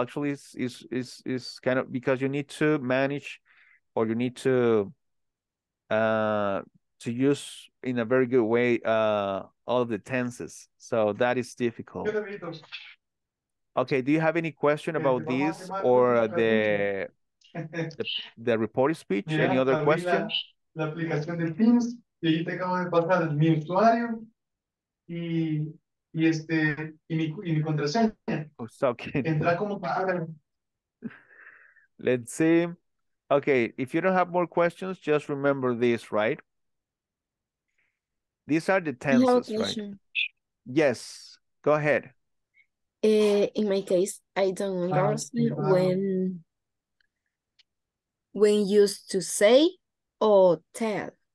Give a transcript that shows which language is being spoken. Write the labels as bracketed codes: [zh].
[en] Actually, it's kind of because you need to manage, or you need to use in a very good way all of the tenses. So that is difficult. Okay, do you have any question about this or the report speech? Yeah, any other question? [es] La aplicación de Teams, y ahí te acabo de pasar mi usuario y este y mi contraseña. [en] Oh, so okay. [es] Entra como para. [en] Let's see. Okay, if you don't have more questions, just remember this, right? These are the tenses, right? Yes. Go ahead. In my case, I don't understand when used to say or tell.